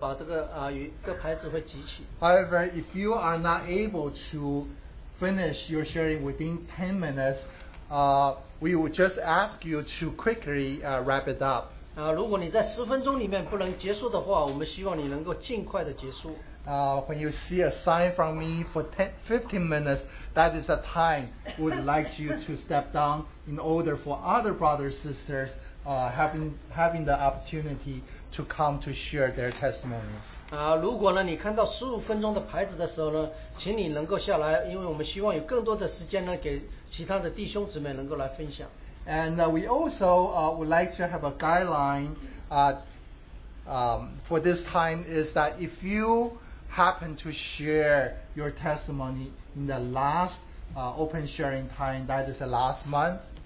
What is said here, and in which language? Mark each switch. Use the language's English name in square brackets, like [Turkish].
[Chinese] 当十分钟到的时候，你会看到我把这个一个牌子会举起。 [English] However, if you are not able to finish your sharing within 10 minutes, we will just ask you to quickly wrap it up. [Chinese] 如果你在十分钟里面不能结束的话，我们希望你能够尽快的结束。 [English] When you see a sign from me for 10-15 minutes, that is a time we would like you to step down in order for other brothers and sisters having the opportunity to come to share their testimonies. [Chinese] 如果你看到15分钟的牌子的时候呢，请你能够下来， 因为我们希望有更多的时间呢，给其他的弟兄姊妹能够来分享。 [English] And we also would like to have a guideline for this time is that if you happen to share your testimony in the last open sharing time, that is the last month.